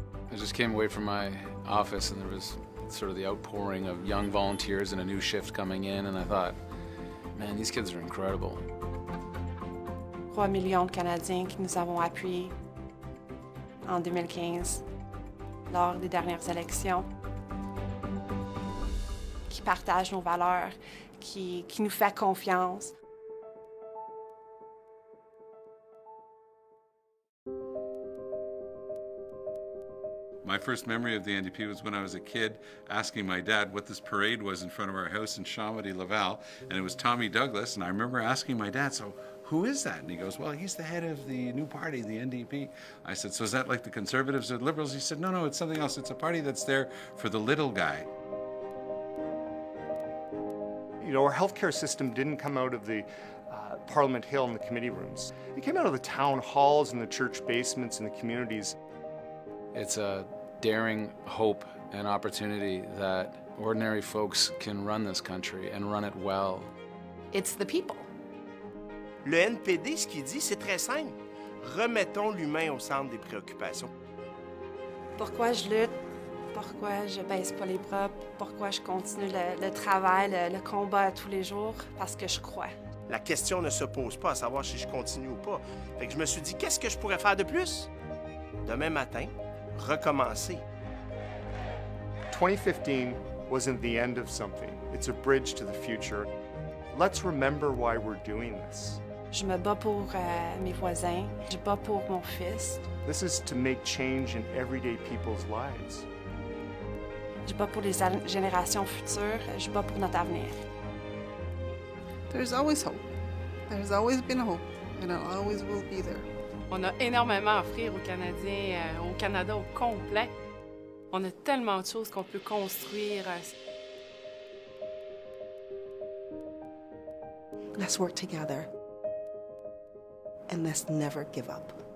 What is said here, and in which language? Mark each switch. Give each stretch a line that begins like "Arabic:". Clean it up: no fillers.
English: I just came away from my office and there was sort of the outpouring of young volunteers and a new shift coming in, and I thought, man, these kids are incredible.
French: 3 millions de Canadiens que nous avons appuyés en 2015. Lors des dernières élections, qui partagent nos valeurs, qui nous fait confiance.
English: My first memory of the NDP was when I was a kid asking my dad what this parade was in front of our house in Chomedey-Laval, and it was Tommy Douglas, and I remember asking my dad, so who is that? And he goes, well, he's the head of the new party, the NDP. I said, so is that like the Conservatives or the Liberals? He said, no, no, it's something else. It's a party that's there for the little guy. You know, our healthcare system didn't come out of the Parliament Hill and the committee rooms. It came out of the town halls and the church basements and the communities. It's a daring hope and opportunity that ordinary folks can run this country and run it well. It's the people.
French: Le NPD, ce qu'il dit, c'est très simple. Remettons l'humain au centre des préoccupations. Pourquoi je lutte? Pourquoi je baisse pas les bras? Pourquoi je continue le travail, le combat tous les jours? Parce que je crois. La question ne se pose pas à savoir si je continue ou pas. Fait que je me suis dit, qu'est-ce que je pourrais faire de plus? Demain matin, recommencer. 2015,
English: wasn't the end of something. It's a bridge to the future. Let's remember why we're doing this.
French: Je me bats pour mes voisins, je me bats pour mon fils.
English: This is to make change in everyday people's lives.
French: Je me bats pour les générations futures, je me bats pour notre avenir.
English: There's always hope. There's always been hope, and it always will be there.
French: On a énormément à offrir aux Canadiens, au Canada au complet. On a tellement de choses qu'on peut construire.
English: Let's work together. And let's never give up.